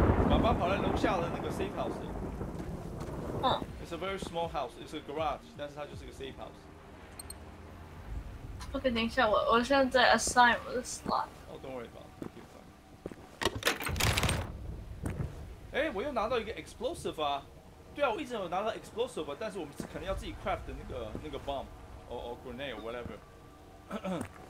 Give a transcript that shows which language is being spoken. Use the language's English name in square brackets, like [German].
[Chinese] 爸爸跑来楼下的那个 safe house。 [English] It's a very small house. It's a garage, [Chinese] 但是它就是个 [English] safe house. [Chinese] OK， 等一下，我现在 assign 我的 slot。 [English] Oh, don't worry about it. [Chinese] 哎，我又拿到一个 explosive 啊！对啊，我一直有拿到 explosive， 但是我们可能要自己 craft 那个 [English] bomb or grenade or whatever。